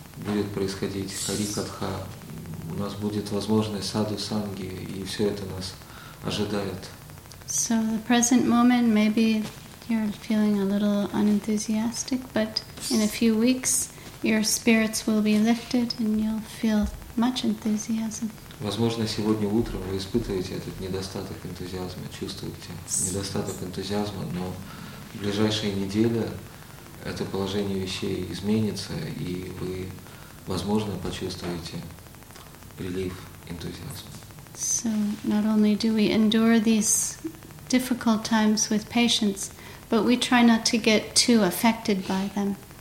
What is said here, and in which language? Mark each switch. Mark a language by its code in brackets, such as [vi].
[ru] Будет происходить Харикатха. У нас будет возможность Саду Санги, и все это нас ожидает. [en] So the present moment, maybe you're feeling a little unenthusiastic, but in a few weeks your spirits will be lifted and you'll feel much enthusiasm. [ru] Возможно, сегодня утром вы испытываете этот недостаток энтузиазма, чувствуете недостаток энтузиазма, но в ближайшие недели это положение вещей изменится, и вы, возможно, почувствуете прилив энтузиазма. [en] So not only do we endure these difficult times with patience, but we try not to get too affected by them.